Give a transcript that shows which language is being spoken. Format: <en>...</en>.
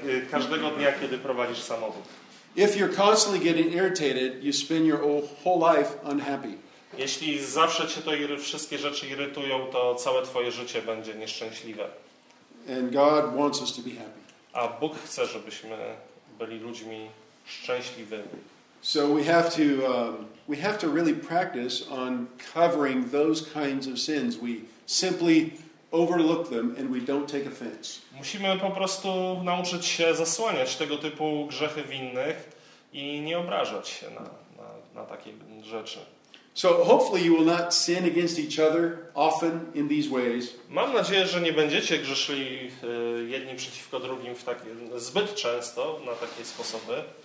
<pl>Każdego dnia, kiedy prowadzisz samochód.</pl> <en>If you're constantly getting irritated, you spend your whole life unhappy.</en> <pl>Jeśli zawsze cię to wszystkie rzeczy irytują, to całe twoje życie będzie nieszczęśliwe.</pl> <en>And God wants us to be happy.</en> <pl>A Bóg chce, żebyśmy byli ludźmi szczęśliwymi.</pl> <en>So we have to really practice on covering those kinds of sins. We simply overlook them and we don't take offense.</en> <pl>Musimy po prostu nauczyć się zasłaniać tego typu grzechy winnych i nie obrażać się na takie rzeczy.</pl> <en>So hopefully you will not sin against each other often in these ways.</en> <pl>Mam nadzieję, że nie będziecie grzeszyli jedni przeciwko drugim w takie zbyt często na takie sposoby.</pl>